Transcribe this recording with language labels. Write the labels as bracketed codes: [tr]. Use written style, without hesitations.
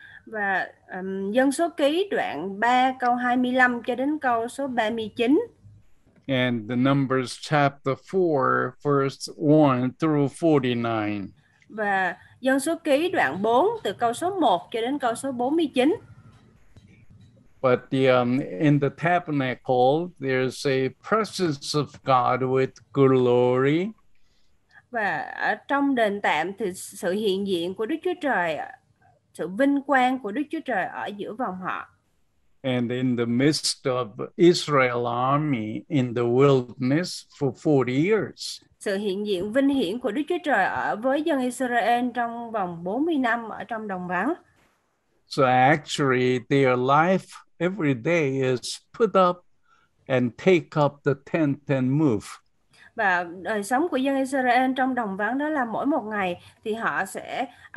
[vi] Và Dân Số Ký đoạn 3 câu 25 cho đến câu số 39. [en] And the Numbers chapter 4, verse 1-49. [vi] Và Dân Số Ký đoạn 4, từ câu số 1 cho đến câu số 49. [en] But in the tabernacle, there's a presence of God with glory. [vi] Và ở trong đền tạm thì sự hiện diện của Đức Chúa Trời, sự vinh quang của Đức Chúa Trời ở giữa vòng họ. [en] And in the midst of Israel army in the wilderness for 40 years. [vi] Sự hiện diện vinh hiển của Đức Chúa Trời ở với dân Israel trong vòng 40 năm ở trong đồng vắng. [en] So actually their life every day is put up and take up the tent and move. [vi] Và đời sống của dân Israel trong đồng vắng đó là mỗi một ngày thì họ sẽ